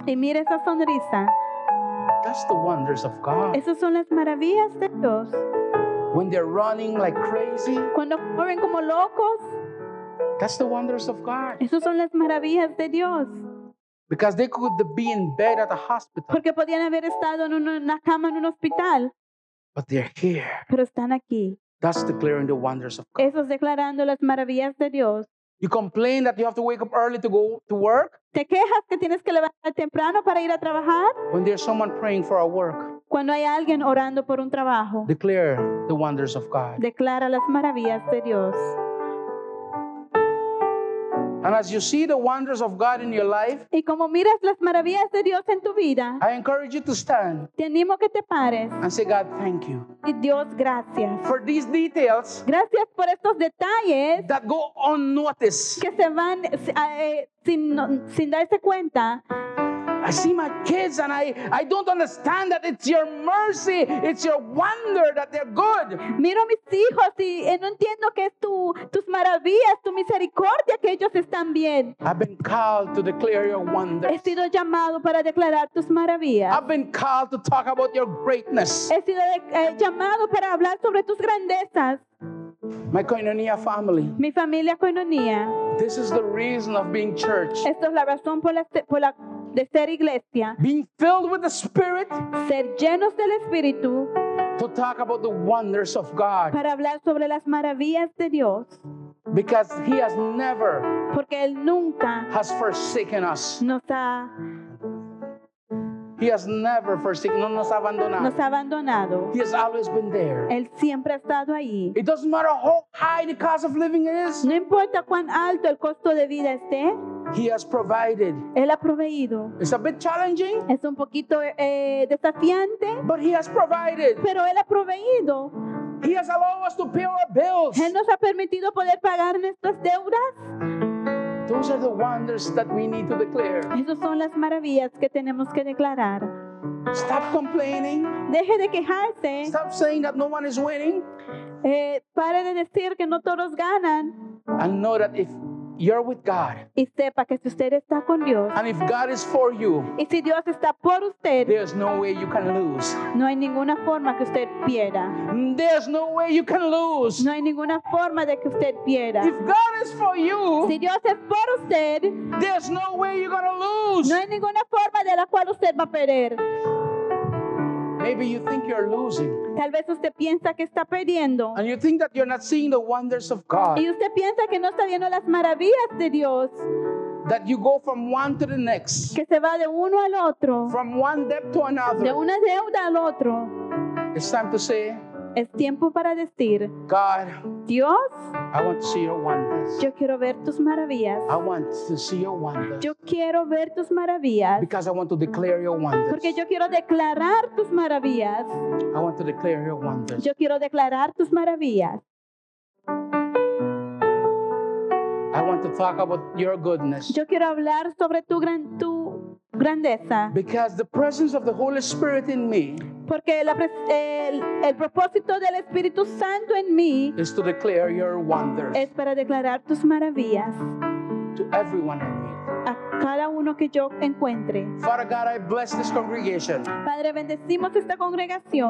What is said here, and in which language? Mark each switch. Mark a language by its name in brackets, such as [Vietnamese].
[Spanish] Y mire esa sonrisa. [English] That's the wonders of God. [Spanish] Esas son las maravillas de Dios. [English] When they're running like crazy. [Spanish] Cuando corren como locos. [English] That's the wonders of God. [Spanish] Esas son las maravillas de Dios. [English] Because they could be in bed at a hospital. [Spanish] Porque podían haber estado en una cama en un hospital. [English] But they're here. [Spanish] Pero están aquí. [English] That's declaring the wonders of God. [Spanish] Esas declarando las maravillas de Dios. [English] You complain that you have to wake up early to go to work. [Spanish] ¿Te quejas que tienes que levantar temprano para ir a trabajar? [English] When there's someone praying for our work. [Spanish] Cuando hay alguien orando por un trabajo. [English] Declare the wonders of God. [Spanish] Declara las maravillas de Dios. [English] And as you see the wonders of God in your life. [Spanish] Y como miras las maravillas de Dios en tu vida. [English] I encourage you to stand. [Spanish] Te animo que te pares. [English] And say, God, thank you. [Spanish] Y Dios, gracias. [English] For these details. [Spanish] Gracias por estos detalles. [English] That go unnoticed. [Spanish] Que se van sin darse cuenta. [English] I see my kids and I don't understand that it's your mercy, it's your wonder that they're good. [Spanish] Miro a mis hijos y no entiendo que es tus maravillas, tu misericordia que ellos están bien. [English] I've been called to declare your wonders. [Spanish] He sido llamado para declarar tus maravillas. [English] I've been called to talk about your greatness. [Spanish] He sido llamado para hablar sobre tus grandezas. [English] My Koinonia family. [Spanish] Mi familia Koinonia. [English] This is the reason of being church. [Spanish] Esto es la razón por la de ser iglesia. [English] Being filled with the Spirit. [Spanish] Ser llenos del Espíritu. [English] To talk about the wonders of God. [Spanish] Para hablar sobre las maravillas de Dios. [English] Because He has never. [Spanish] Porque Él nunca. [English] Has forsaken us. [Spanish] Nos ha [English] He has never forsaken. [Spanish] No nos ha abandonado. Nos ha abandonado. [English] He has always been there. [Spanish] Él siempre ha estado ahí. [English] It doesn't matter how high the cost of living is. [Spanish] No importa cuán alto el costo de vida esté. [English] He has provided. [Spanish] Él ha proveído. [English] It's a bit challenging. [Spanish] Es un poquito desafiante. [English] But he has provided. [Spanish] Pero él ha proveído. [English] He has allowed us to pay our bills. [Spanish] Él nos ha permitido poder pagar nuestras deudas. [English] Those are the wonders that we need to declare. [Spanish] Esas son las maravillas que tenemos que declarar. [English] Stop complaining. [Spanish] Deje de quejarse. [English] Stop saying that no one is winning. [Spanish] Pare de decir que no todos ganan. [English] And know that if you're with God. [Spanish] Y sepa que si usted está con Dios. [English] And if God is for you. [Spanish] Y si Dios está por usted. [English] There's no way you can lose. [Spanish] No hay ninguna forma que usted pierda. [English] There's no way you can lose. [Spanish] No hay ninguna forma de que usted pierda. [English] If God is for you. [Spanish] Si Dios es por usted. [English] There's no way you're gonna lose. [Spanish] No hay ninguna forma de la cual usted va a perder. [English] Maybe you think you're losing. [Spanish] Tal vez usted piensa que está perdiendo. [English] And you think that you're not seeing the wonders of God. [Spanish] Y usted piensa que no está viendo las maravillas de Dios. [English] That you go from one to the next. [Spanish] Que se va de uno al otro. [English] From one debt to another. [Spanish] De una deuda al otro. [English] It's time to say. [Spanish] Es tiempo para decir. [English] God. [Spanish] Dios. [English] I want to see your wonders. [Spanish] Yo quiero ver tus maravillas. [English] I want to see your wonders. [Spanish] Yo quiero ver tus maravillas. [English] Because I want to declare your wonders. [Spanish] Porque yo quiero declarar tus maravillas. [English] I want to declare your wonders. [Spanish] Yo quiero declarar tus maravillas. [English] I want to talk about your goodness. [Spanish] Yo quiero hablar sobre tu grandeza. [English] Because the presence of the Holy Spirit in me. [Spanish] Porque el propósito del Espíritu Santo en mí [English] is to declare your wonders. [Spanish] Es para declarar tus maravillas. [English] To everyone I meet. [Spanish] A cada uno que yo encuentre. [English] Father God, I bless this congregation. [Spanish] Padre, bendecimos esta congregación.